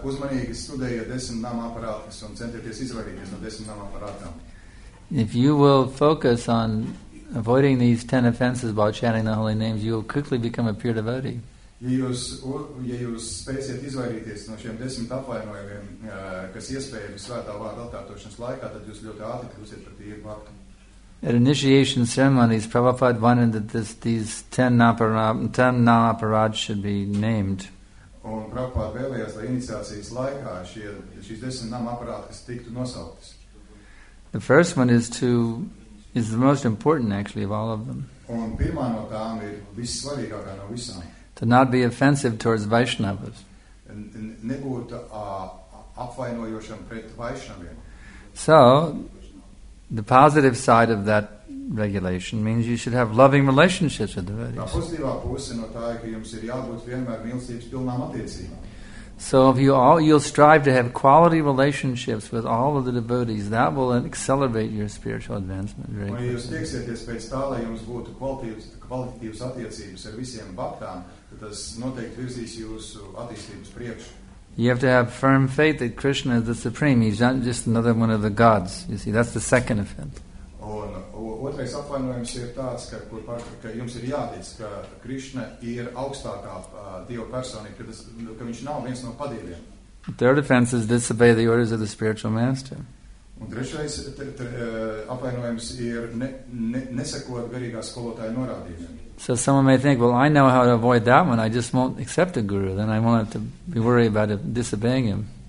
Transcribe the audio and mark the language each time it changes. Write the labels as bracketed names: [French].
[Latvian] Uzmanīgi studējiet 10 namaparādas un centieties izvairīties no 10 namaparādām. [English] If you will focus on avoiding these 10 offenses while chanting the holy names, you will quickly become a pure devotee. [Latvian] Ja jūs spēsiet izvairīties no šiem 10 apvainojumiem, kas iespējams svētā vārda atkārtošanas laikā, tad jūs ļoti ātri kļūsiet par tīru bhaktu. [English] At initiation ceremonies, Prabhupada wanted that these 10 naparād should be named. [Latvian] Un Prabhupada vēlējās, lai iniciācijas laikā šīs 10 naparād, kas tiktu nosauktas. [English] The first one is the most important, actually, of all of them. [Latvian] Un pirmā no tām ir vissvarīgākā no visām. [English] To not be offensive towards Vaishnavas. [Latvian] Nebūt apvainojošam pret Vaishnaviem. [English] So, the positive side of that regulation means you should have loving relationships with devotees. [Latvian] Tā pozitīvā puse no tā, ka jums ir jābūt vienmēr mīlestības pilnām attiecībām. [English] So if you'll strive to have quality relationships with all of the devotees, that will accelerate your spiritual advancement very quickly. [Latvian] Ja jūs tieksieties pēc tā, lai jums būtu kvalitatīvas attiecības ar visiem bhaktām, tad tas noteikti virzīs jūsu attīstības priekšu. [English] You have to have firm faith that Krishna is the supreme. He's not just another one of the gods. You see, that's the second offense. [Latvian] Un otrais apvainojums ir tāds, ka jums ir jātic, ka Krishna ir augstākā Dieva persona, ka viņš nav viens no padieviem. [English] Third offense is disobey the orders of the spiritual master. [Latvian] Un trešais apvainojums ir nesekot garīgā skolotāja norādījumiem. [English] So someone may think, well, I know how to avoid that one. I just won't accept a guru. Then I won't have to be worried about disobeying him.